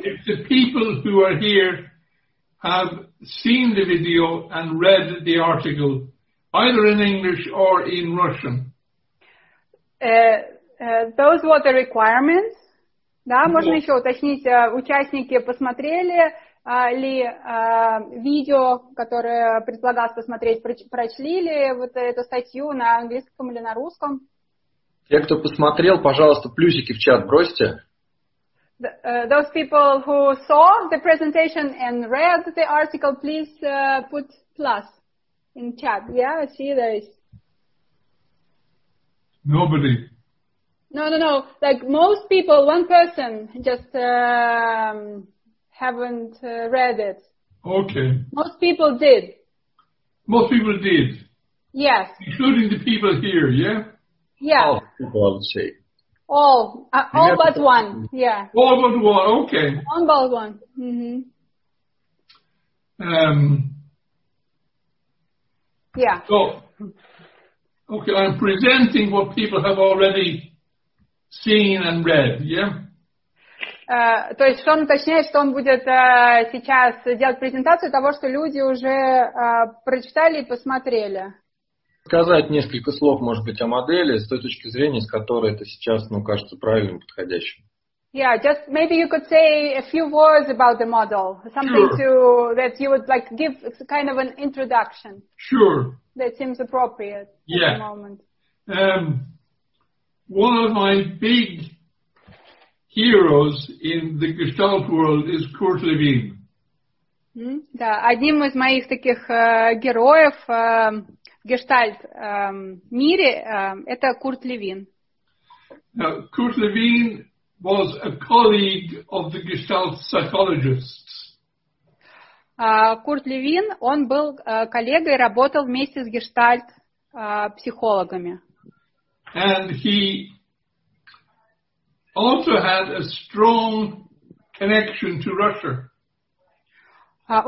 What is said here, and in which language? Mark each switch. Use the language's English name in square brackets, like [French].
[English] if the people who are here have seen the video and read the article, either in English or in Russian? Those were the requirements. [Russian] Да, можно еще уточнить, участники посмотрели ли видео, которое предлагалось посмотреть, прочли ли вот эту статью на английском или на русском? Те, кто посмотрел, пожалуйста, плюсики в чат бросьте. [English] Those people who saw the presentation and read the article, please put plus in chat. Yeah, I see there is. Nobody. No. Like most people, one person just haven't read it. Okay. Most people did. Most people did. Yes. Including the people here, yeah? Yeah. All people, I would say. All but one, yeah. All but one, okay. All but one, mm-hmm. Yeah. So, okay, I'm presenting what people have already seen and read, yeah? [Russian] То есть Шон уточняет, что он будет сейчас делать презентацию того, что люди уже прочитали и посмотрели. Сказать несколько слов, может быть, о модели с той точки зрения, с которой это сейчас, ну, кажется правильным, подходящим. [English] Yeah, just maybe you could say a few words about the model, something sure. to that you would like give kind of an introduction. Sure. That seems appropriate yeah. at the moment. One of my big heroes in the Gestalt world is Kurt Lewin. Mm-hmm. [Russian] Да, одним из моих таких героев в Гештальт мире это Курт Левин. [English] Now, Kurt Lewin was a colleague of the Gestalt psychologists. [Russian] Курт Левин, он был коллегой, работал вместе с Гештальт психологами. [English] And he also had a strong connection to Russia.